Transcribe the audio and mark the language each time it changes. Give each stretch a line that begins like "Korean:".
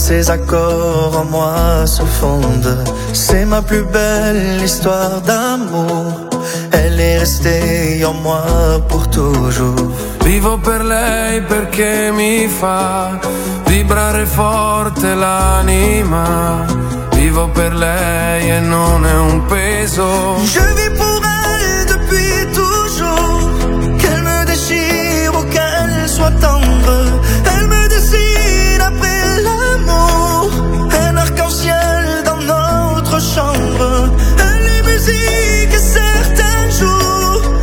French: ces accords en moi se fondent. C'est ma plus belle histoire d'amour. Elle est restée en moi pour toujours.
Italian: Vivo per lei perché mi fa vibrare forte l'anima. Vivo per lei e non è un peso.
French: Je vis pour elle depuis toujours. Qu'elle me déchire ou qu'elle soit tendre. Elle me dessine après l'amour. Un arc-en-ciel dans notre chambre. Elle est musique et certains jours.